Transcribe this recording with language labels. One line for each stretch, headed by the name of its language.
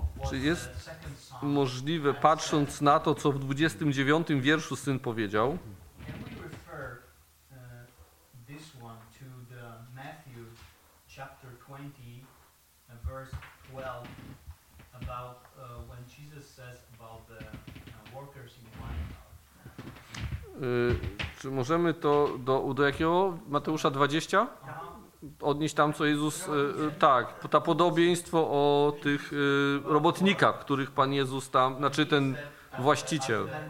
Polish: czy jest możliwe, patrząc na to, co w 29 wierszu syn powiedział?
English: Can we refer this one to the Matthew chapter 20 verse 12 about when Jesus says about the workers in wine?
Polish: Czy możemy to do jakiego Mateusza 20? Odnieść tam, co Jezus... tak, to podobieństwo o tych robotnikach, których Pan Jezus tam... Znaczy ten właściciel.